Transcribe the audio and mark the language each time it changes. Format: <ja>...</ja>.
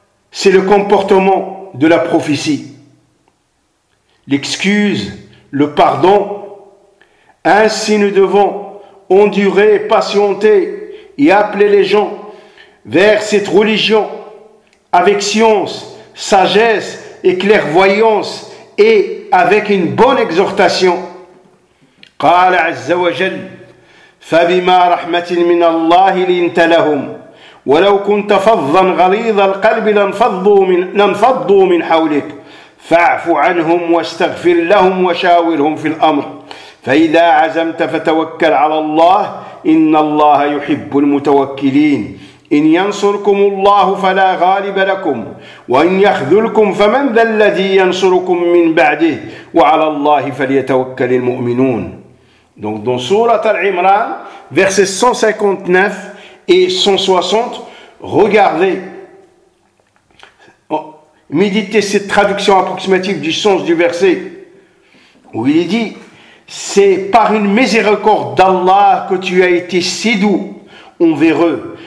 <fr>C'est le comportement de la prophétie. L'excuse, le pardon. Ainsi nous devons endurer, patienter et appeler les gens vers cette religion avec science, sagesse et clairvoyance et avec une bonne exhortation.</fr> <ar>قال عز وجل فبما رحمة من الله لينت لهم ولو كنت فظا غليظ القلب لانفضوا من حولك فاعف عنهم واستغفر لهم وشاورهم في الأمر، فإذا عزمت فتوكل على الله، إن الله يحب المتوكلين. إن ينصركم الله فلا غالب لكم، وإن يخذلكم فمن ذا الذي ينصركم من بعده، وعلى الله فليتوكل المؤمنون.</ar> <fr>Donc dans sourate Al-Imran, versets 159 et 160, regardez, méditez cette traduction approximative du sens du verset, où il dit, c'est par une miséricorde d'Allah que tu as été si doux envers eux.</fr>